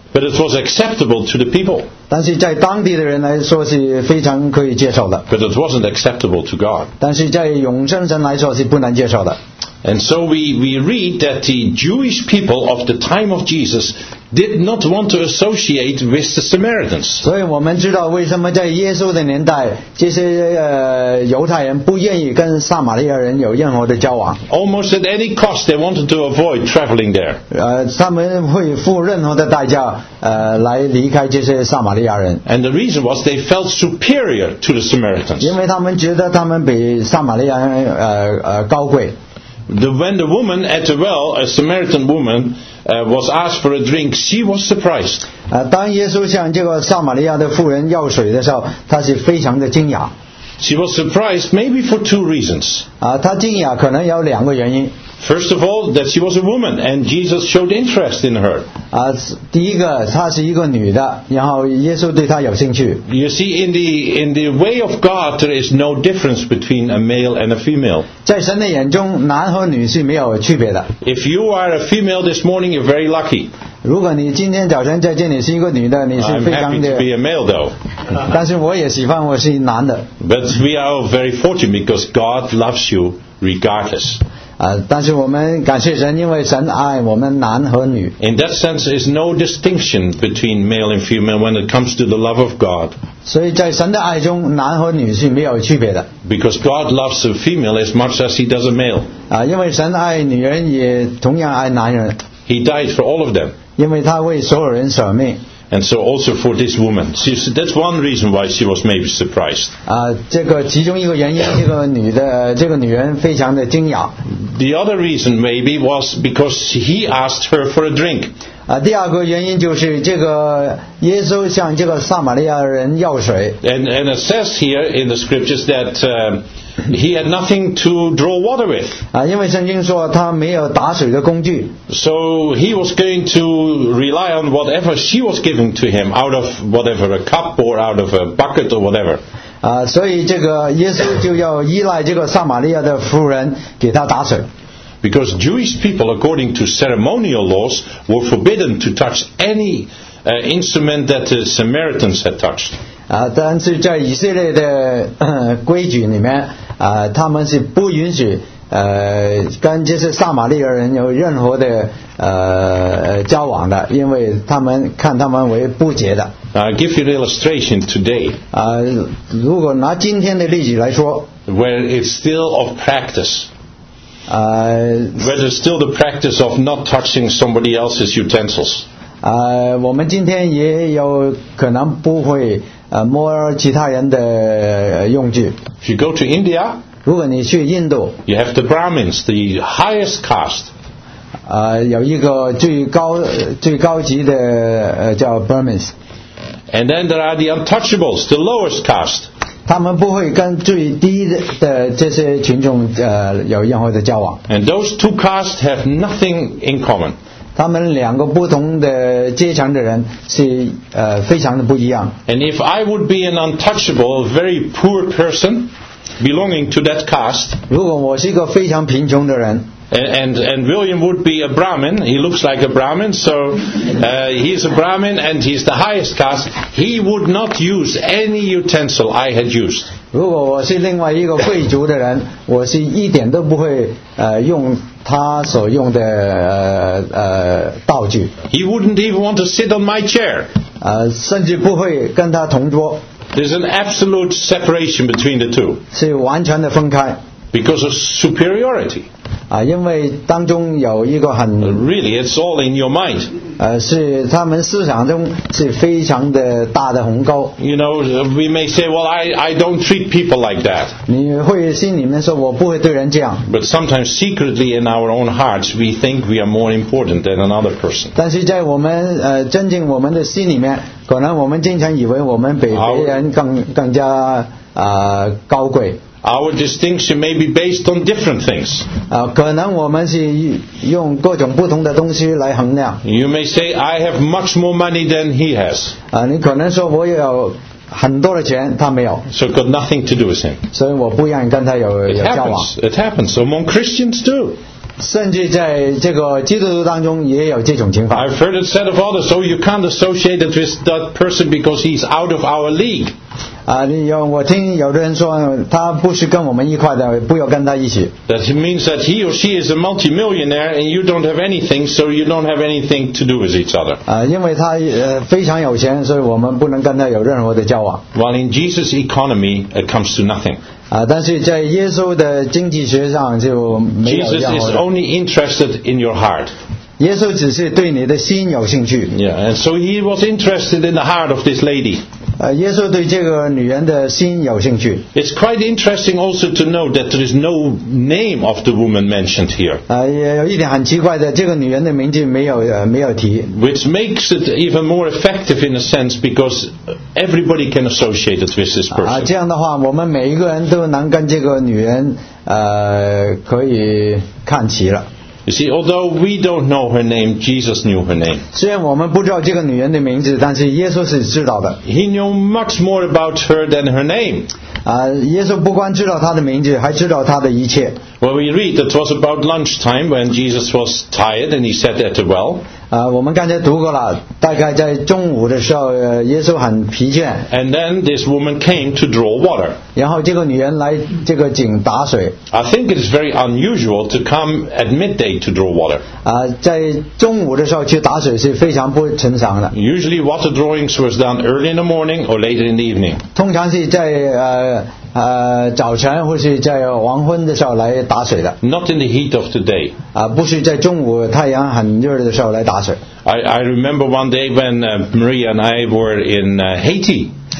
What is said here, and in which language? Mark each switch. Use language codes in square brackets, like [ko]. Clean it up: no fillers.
[en] But it was acceptable to the people. [zh] 但是在当地的人来说是非常可以接受的。 [en] But it wasn't acceptable to God. [zh] 但是在永生神来说是不能接受的。 [en] And so we read that the Jewish people of the time of Jesus did not want to associate with the Samaritans. [zh] 所以我们知道为什么在耶稣的年代，这些犹太人不愿意跟撒玛利亚人有任何的交往。 [en] Almost at any cost, they wanted to avoid traveling there. [zh] 他们会付任何的代价来离开这些撒玛利亚人。 [en] And the reason was they felt superior to the Samaritans. [zh] 因为他们觉得他们比撒玛利亚人高贵。 [en] When the woman at the well, a Samaritan woman, was asked for a drink, she was surprised. [zh] 当耶稣向这个撒玛利亚的妇人要水的时候，她是非常的惊讶。 [en] She was surprised maybe for two reasons. [zh] 她惊讶可能有两个原因。 [en] First of all, that she was a woman and Jesus showed interest in her. [zh] 第一个，她是一个女的，然后耶稣对她有兴趣。 [en] You see, in the way of God, there is no difference between a male and a female. [zh] 在神的眼中，男和女是没有区别的。 [en] If you are a female this morning, you're very lucky. [zh] 如果你今天早晨在这里是一个女的，你是非常的。 [en] I'm happy to be a male, though. [zh] 但是我也喜欢我是男的。 [en] But we are very fortunate because God loves you regardless. [zh] 但是我们感谢神，因为神爱我们男和女。 [en] In that sense, there is no distinction between male and female when it comes to the love of God. [zh] 所以在神的爱中，男和女是没有区别的。 [en] Because God loves a female as much as he does a male. [zh] 因为神爱女人，也同样爱男人。 [en] He died for all of them. [zh] 因为他为所有人舍命。 [en] And so also for this woman. That's one reason why she was maybe surprised. [zh] 这个其中一个原因，这个女人非常的惊讶。 [en] The other reason maybe was because he asked her for a drink. [zh] 第二个原因就是这个耶稣向这个撒玛利亚人要水。 [en] And it says here in the scriptures that he had nothing to draw water with. [zh] 因为圣经说他没有打水的工具。 [en] So he was going to rely on whatever she was giving to him, out of whatever, a cup or out of a bucket or whatever. [zh] 所以这个耶稣就要依赖这个撒玛利亚的妇人给他打水。 [en] Because Jewish people, according to ceremonial laws, were forbidden to touch any instrument that the Samaritans had touched. [zh] 但是在以色列的规矩里面，他们是不允许跟就是撒玛利亚人有任何的交往的，因为他们看他们为不洁的。 [en] I give you an illustration today. [zh] 如果拿今天的例子来说 [en] ，where it's still of practice. Where there's still the practice of not touching somebody else's utensils. [zh] 我们今天也有可能不会摸其他人的用具。 [en] If you go to India. [zh] 如果你去印度 [en] you have the Brahmins, the highest caste. [zh] 有一个最高级的叫 Brahmins. [en] And then there are the untouchables, the lowest caste. [zh] 他们不会跟最低的这些群众有任何的交往。 [en] And those two castes have nothing in common. [zh] 他们两个不同的阶层的人是非常的不一样。 [en] And if I would be an untouchable, very poor person,belonging to that caste. [zh] 如果我是一个非常贫穷的人 [en] and William would be a Brahmin. He looks like a Brahmin, so he's a Brahmin and he's the highest caste. He would not use any utensil I had used. [zh] 如果我是另外一个贵族的人，我是一点都不会用他所用的道具。 [en] He wouldn't even want to sit on my chair. [zh] 甚至不会跟他同桌。 [en] There's an absolute separation between the two. [zh] 是完全的分开。 [en] Because of superiority. [zh] 因为当中有一个很 [en] Really, it's all in your mind. [zh] 是他们思想中是非常的大的鸿沟。 [en] You know, we may say, well, I don't treat people like that. [zh] 你会心里面说我不会对人这样。 [en] But sometimes secretly in our own hearts, we think we are more important than another person. [zh] 但是在我们尊敬我们的心里面。可能我们经常以为我们比别人 更加高贵。 [en] Our distinction may be based on different things. [zh] 可能我们是用各种不同的东西来衡量。 [en] You may say I have much more money than he has. [zh] 你可能说我有很多的钱，他没有。 [en] So got nothing to do with him. [zh] 所以我不愿意跟他有交往。 [en] It happens among Christians too. [zh] 甚至在这个基督徒当中也有这种情况。 [en] I've heard it said of others, so you can't associate it with that person because he's out of our league. [zh] 我听有的人说他不是跟我们一块的，不要跟他一起。 [en] That means that he or she is a multimillionaire and you don't have anything, so you don't have anything to do with each other. [zh] 因为他非常有钱，所以我们不能跟他有任何的交往。 [en] While in Jesus' economy, it comes to nothing. [zh] 但是在耶稣的经济学上就没有任何。 [en] Jesus is only interested in your heart. [zh] 耶稣只是对你的心有兴趣。 [en] Yeah, and so he was interested in the heart of this lady. [zh] 耶稣对这个女人的心有兴趣。 [en] It's quite interesting also to note that there is no name of the woman mentioned here. [zh] 有一点很奇怪的，这个女人的名字没有提。 [en] Which makes it even more effective in a sense because. Everybody can associate it with this person. [zh] 这样的话，我们每一个人都能跟这个女人，可以看齐了。 [en] You see, although we don't know her name, Jesus knew her name. [zh] 虽然我们不知道这个女人的名字，但是耶稣是知道的。 [en] He knew much more about her than her name. [zh] 耶稣不光知道她的名字，还知道她的一切。 [en] Well, we read that it was about lunchtime when Jesus was tired and he sat at the well. [zh] 我们刚才读过了，大概在中午的时候，耶稣很疲倦。 [en] And then this woman came to draw water. [zh] 然后这个女人来这个井打水。 [en] I think it is very unusual to come at midday to draw water. [zh] 在中午的时候去打水是非常不寻常的。 [en] Usually water drawings was done early in the morning or later in the evening. [zh] 通常是在早晨或是在黄昏的时候来打水的。 [en] Not in the heat of the day. [zh] 不是在中午太阳很热的时候来打水。 [en] I remember one day when Maria and I were in Haiti.